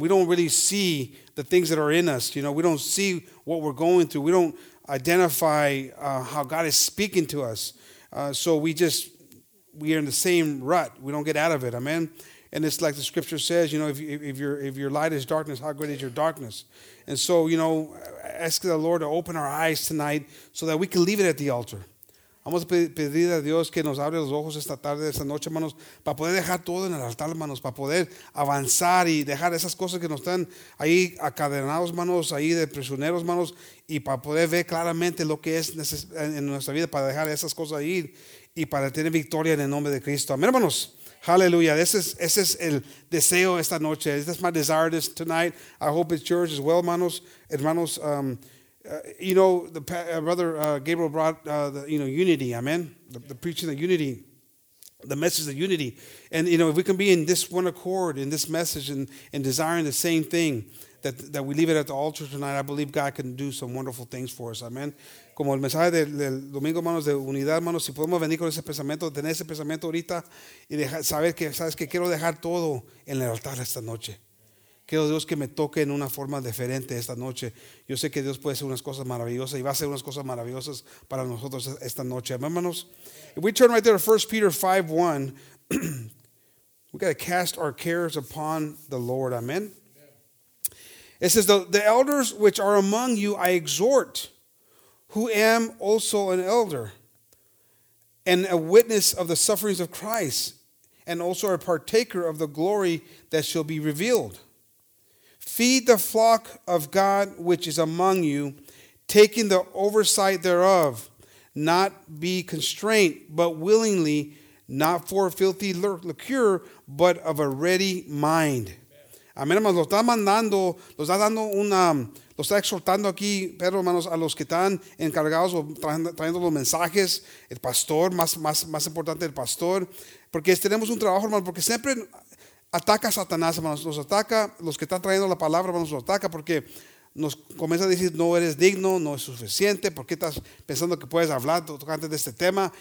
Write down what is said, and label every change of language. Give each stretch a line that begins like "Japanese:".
English: We don't really see the things that are in us. You know, we don't see what we're going through. We don't identify how God is speaking to us. So we are in the same rut. We don't get out of it. Amen. And it's like the scripture says, you know, if your light is darkness, how great is your darkness? And so, you know, ask the Lord to open our eyes tonight so that we can leave it at the altar.
Spanish: Vamos a pedir a Dios que nos abra los ojos esta tarde, esta noche, hermanos, para poder dejar todo en el altar, hermanos, para poder avanzar y dejar esas cosas que nos están ahí acadenados, hermanos, ahí de prisioneros, hermanos, y para poder ver claramente lo que es en nuestra vida, para dejar esas cosas ahí y para tener victoria en el nombre de Cristo. Amén, hermanos. Hallelujah. Ese es el deseo esta noche.
English: That's my desire this tonight. I hope it's yours as well, manos. Hermanos, you know, brother Gabriel brought unity. Amen. The preaching of unity, the message of unity. And, you know, if we can be in this one accord, in this message, and desiring the same thing, that we leave it at the altar tonight. I believe God can do some wonderful things for us. Amen.
Spanish: Como el mensaje del domingo, hermanos, de unidad, hermanos, si podemos venir con ese pensamiento, tener ese pensamiento ahorita y saber que, sabes que quiero dejar todo en el altar esta noche. Quiero Dios que me toque en una forma diferente esta noche. Yo sé que Dios puede hacer unas cosas maravillosas y va a hacer unas cosas maravillosas para nosotros esta noche. Amén, hermanos.
English: If we turn right there to 1 Peter 5:1, we got to cast our cares upon the Lord. Amen. It says, the elders which are among you, I exhort, who am also an elder and a witness of the sufferings of Christ and also a partaker of the glory that shall be revealed. Feed the flock of God which is among you, taking the oversight thereof, not be constrained, but willingly, not for filthy lucre, but of a ready mind.
Spanish: Amén, hermanos, los está mandando, los está dando una, los está exhortando aquí, Pedro, hermanos, a los que están encargados o trayendo los mensajes, el pastor, más importante el pastor, porque tenemos un trabajo, hermanos, porque siempre ataca a Satanás, hermanos, los ataca, los que están trayendo la palabra, hermanos, los ataca porque nos comienza a decir, no eres digno, no es suficiente, ¿por qué estás pensando que puedes hablar tocante de este tema?